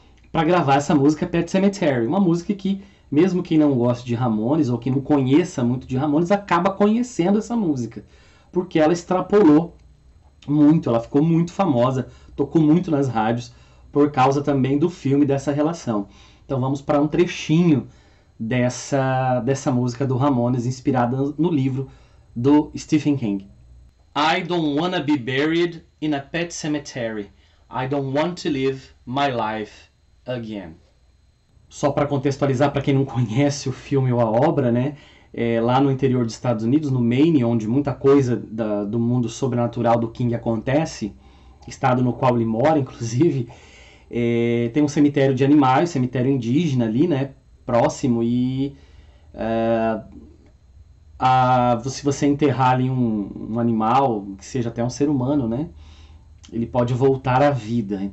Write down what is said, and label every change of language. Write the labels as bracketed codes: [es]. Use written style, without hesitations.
[pt] Para gravar essa música Pet Sematary, uma música que mesmo quem não goste de Ramones ou quem não conheça muito de Ramones acaba conhecendo essa música, porque ela extrapolou muito, ela ficou muito famosa, tocou muito nas rádios por causa também do filme dessa relação. Então vamos para um trechinho dessa música do Ramones inspirada no livro do Stephen King. [en] I don't wanna be buried in a pet cemetery. I don't want to live my life again. [pt] Só para contextualizar para quem não conhece o filme ou a obra, né? É, lá no interior dos Estados Unidos, no Maine, onde muita coisa do mundo sobrenatural do King acontece, estado no qual ele mora, inclusive, tem um cemitério de animais, cemitério indígena ali, né, próximo, e se você enterrar ali um animal, que seja até um ser humano, né, ele pode voltar à vida.